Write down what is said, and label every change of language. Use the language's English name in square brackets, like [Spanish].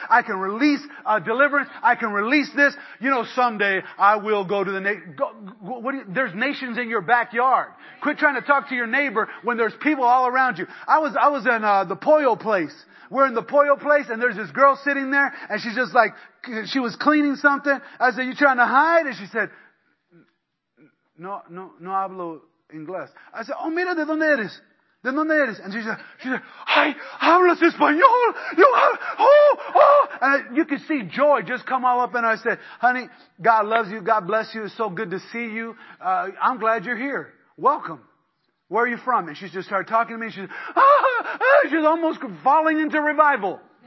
[English] I can release deliverance. I can release this. You know, someday I will go to the there's nations in your backyard. Quit trying to talk to your neighbor when there's people all around you. I was in the Pollo place. We're in the Pollo place and there's this girl sitting there and she's just like, she was cleaning something. I said, you trying to hide? And she said, [Spanish] no hablo inglés. [English] I said, [Spanish] oh, mira, ¿de dónde eres? ¿De dónde eres? [English] And she said, [Spanish] ay, hablas español. [English] You have, oh. And you could see joy just come all up. And I said, honey, God loves you. God bless you. It's so good to see you. I'm glad you're here. Welcome. Where are you from? And she just started talking to me. She's almost falling into revival.